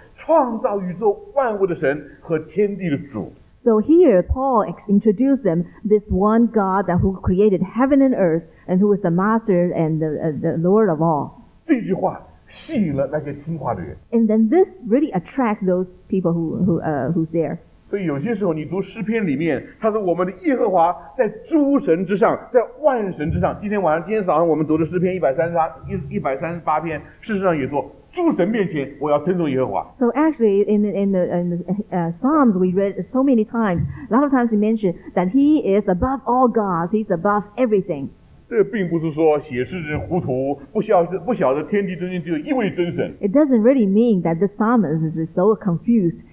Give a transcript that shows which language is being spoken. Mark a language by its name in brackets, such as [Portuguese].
[Chinese] 所以弟兄姊妹们，保罗在这里对他们说，创造宇宙万物的神和天地的主。 [English] So here Paul introduced them this one God that who created heaven and earth and who is the master and the Lord of all. [Chinese] 这句话吸引了那些听话的人。 [English] And then this really attracts those people who's there. [Chinese] 所以有些时候你读诗篇里面，他说我们的耶和华在诸神之上，在万神之上。今天晚上，今天早上我们读的诗篇138篇，事实上也说，诸神面前我要称颂耶和华。So [English] actually, in the Psalms we read so many times. A lot of times he mentioned that he is above all gods. He's above everything. [Chinese] 这并不是说写诗人糊涂，不晓得天地之间只有一位真神。 [English] It doesn't really mean that the psalmist is so confused.